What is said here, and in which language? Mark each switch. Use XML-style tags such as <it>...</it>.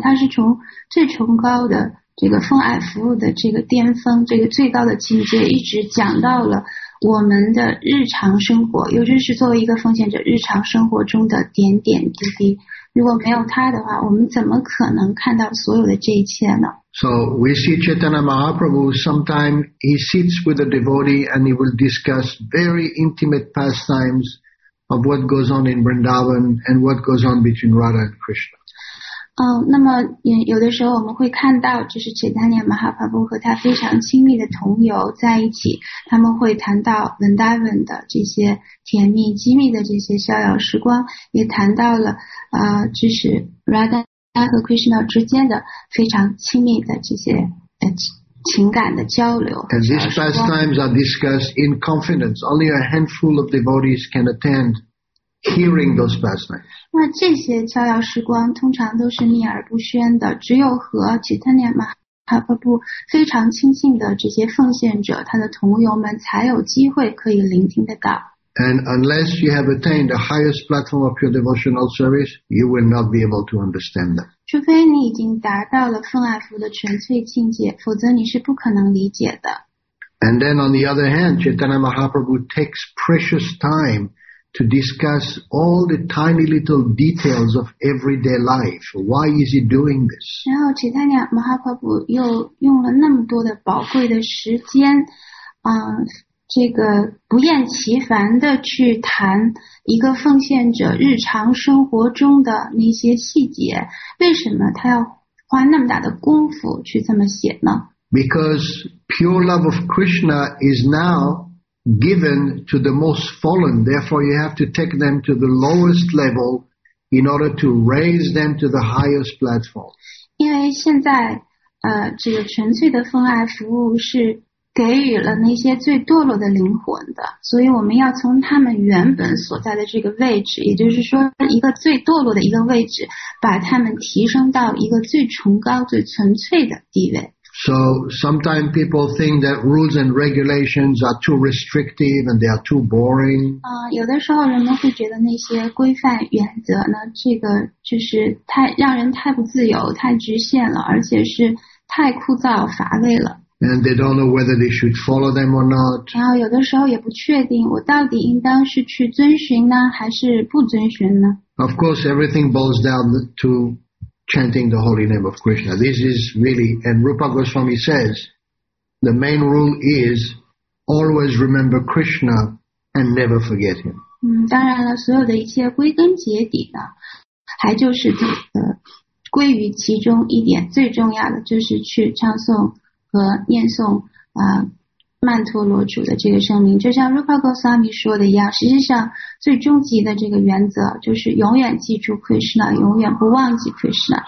<zh>它是从最崇高的这个分爱服务的这个巅峰，这个最高的境界，一直讲到了我们的日常生活，尤其是作为一个奉献者日常生活中的点点滴滴。如果没有它的话，我们怎么可能看到所有的这一切呢？</zh> <en>So we see Chaitanya Mahaprabhu, sometimes he sits with a devotee and he will discuss very intimate pastimes of what goes on in Vrindavan and what goes on between Radha and Krishna.</en> <zh>那么有的时候我们会看到就是 Chaitanya Mahaprabhu 和他非常亲密的同游在一起，他们会谈到 Vrindavan 的这些甜蜜机密的这些逍遥时光，也谈到了就是 Radha他和 Krishna 之间的非常亲密的这些情感的交流。</zh> <en>And these pastimes are discussed in confidence. Only a handful of devotees can attend hearing those pastimes.</en> <zh>那这些逍遥时光通常都是秘而不宣的，只有和 Chaitanya Mahaprabhu 非常亲近的这些奉献者，他的同游们才有机会可以聆听得到。</zh> <en>And unless you have attained the highest platform of pure devotional service, you will not be able to understand that.</en> <zh>除非你已经达到了分爱服务的纯粹境界，否则你是不可能理解的。</zh> <en>And then on the other hand, Chaitanya Mahaprabhu takes precious time to discuss all the tiny little details of everyday life. Why is he doing this?</en> <zh>然后 Chaitanya Mahaprabhu 又用了那么多的宝贵的时间，这个不厌其烦地去谈一个奉献者日常生活中的那些细节，为什么他要花那么大的功夫去这么写呢？</zh> <en>Because pure love of Krishna is now given to the most fallen, therefore you have to take them to the lowest level in order to raise them to the highest platform.</en> <zh>因为现在这个纯粹的奉爱服务是给予了那些最堕落的灵魂的，所以我们要从他们原本所在的这个位置，也就是说一个最堕落的一个位置，把他们提升到一个最崇高最纯粹的地位。</zh> <en>So sometimes people think that rules and regulations are too restrictive and they are too boring.</en> <zh>有的时候人们会觉得那些规范原则呢，这个就是太让人太不自由太局限了，而且是太枯燥乏味了。</zh> <en>And they don't know whether they should follow them or not.</en> <zh>然后有的时候也不确定，我到底应当是去遵循呢，还是不遵循呢？</zh> <en>Of course, everything boils down to chanting the holy name of Krishna. This is really, and Rupa Goswami says, the main rule is always remember Krishna and never forget him.</en> <zh>当然了，所有的一切归根结底呢，还就是归于其中一点，最重要的就是去唱诵和念诵曼陀罗主的这个声明，就像 Rupa Goswami 说的一样，实际上最终极的这个原则就是永远记住 Krishna， 永远不忘记 Krishna。</zh>